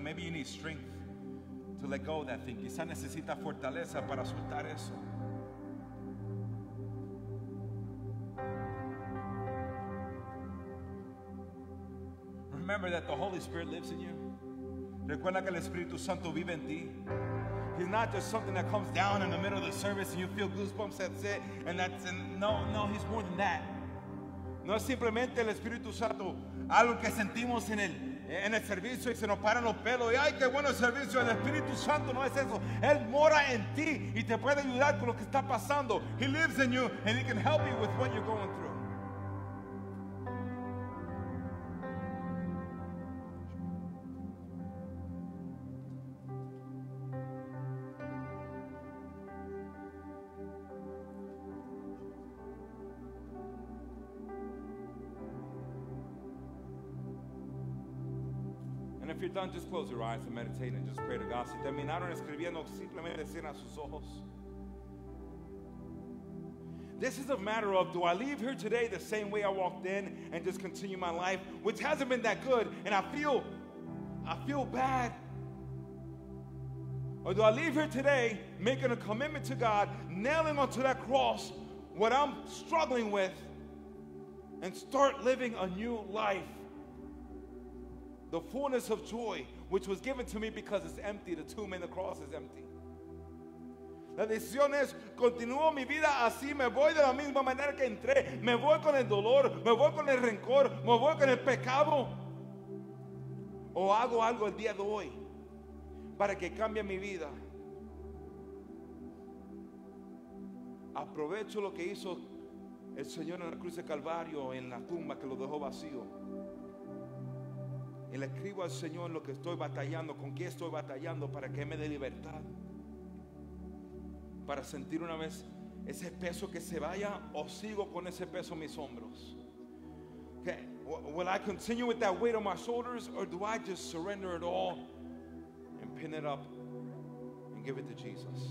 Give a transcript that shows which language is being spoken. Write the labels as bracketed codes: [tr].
[en] Maybe you need strength to let go of that thing. [es] Quizá necesita fortaleza para soltar eso. [en] Remember that the Holy Spirit lives in you. [es] Recuerda que el Espíritu Santo vive en ti. [en] He's not just something that comes down in the middle of the service and you feel goosebumps, that's it. And that's, and no, he's more than that. [es] No es simplemente el Espíritu Santo, algo que sentimos en el servicio y se nos paran los pelos. Y ay, qué bueno el servicio. El Espíritu Santo no es eso. Él mora en ti y te puede ayudar con lo que está pasando. [en] He lives in you and he can help you with what you're going through. Done, just close your eyes and meditate and just pray to God. [es] Si terminaron escribiendo, simplemente cierran sus ojos. [en] This is a matter of, do I leave here today the same way I walked in and just continue my life, which hasn't been that good, and I feel bad? Or do I leave here today making a commitment to God, nailing onto that cross what I'm struggling with, and start living a new life? The fullness of joy, which was given to me because it's empty. The tomb and the cross is empty. [es] La decisión es, continúo mi vida así, me voy de la misma manera que entré. Me voy con el dolor, me voy con el rencor, me voy con el pecado. O hago algo el día de hoy para que cambie mi vida. Aprovecho lo que hizo el Señor en la cruz de Calvario, en la tumba que lo dejó vacío. Y le escribo al Señor lo que estoy batallando, con qué estoy batallando, para que me dé libertad. Para sentir una vez ese peso que se vaya, o sigo con ese peso en mis hombros. [en] Okay. Will I continue with that weight on my shoulders, or do I just surrender it all and pin it up and give it to Jesus?